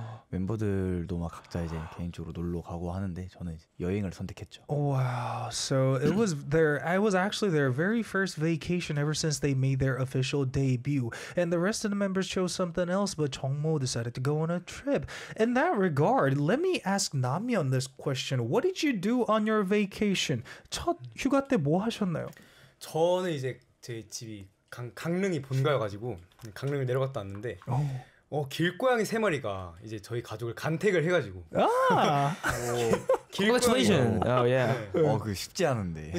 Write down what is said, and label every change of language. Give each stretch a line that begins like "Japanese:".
Korean: 멤버들도 막 각자 이제 개인적으로 놀러 가고 하는데 저는 여행을 선택했죠.
English: Wow. So it was I was actually their very first vacation ever since they made their official debut. And the rest of the members chose something else, but Jongmo decided to go on a trip. In that regard, let me ask Namyeon this question. What did you do on your vacation?
Korean: 첫 휴가 때 뭐 하셨나요? 저는 이제 제 집이 강릉이 본가여가지고 강릉을 내려갔다 왔는데 길고양이 세 마리가 이제 저희 가족을 간택을 해가지고 길고양이 쉽지 않은데